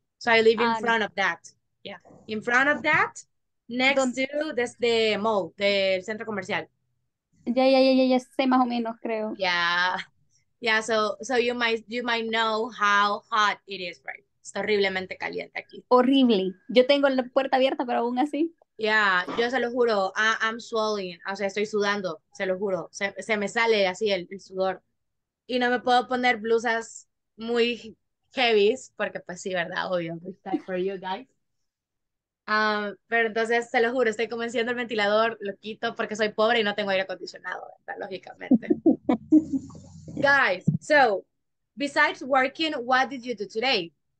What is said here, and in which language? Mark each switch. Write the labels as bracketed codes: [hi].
[en] So I live in front of that. Yeah, in front of that, next to the mall, the centro comercial. [es] Ya, sé más o menos, creo. [en] Yeah, so you might know how hot it is, right? [es] Está horriblemente caliente aquí. Horrible. Yo tengo la puerta abierta, pero aún así. Yeah, yo se lo juro, [en] I'm swelling, [es] o sea, estoy sudando, se lo juro, se me sale así el sudor. Y no me puedo poner blusas muy heavies, porque pues sí, ¿verdad? Obvio, [en] for you guys. [es] Pero entonces, se lo juro, estoy como enciendo el ventilador, lo quito porque soy pobre y no tengo aire acondicionado, ¿verdad? Lógicamente. [en] Guys, so, besides working, what did you do today?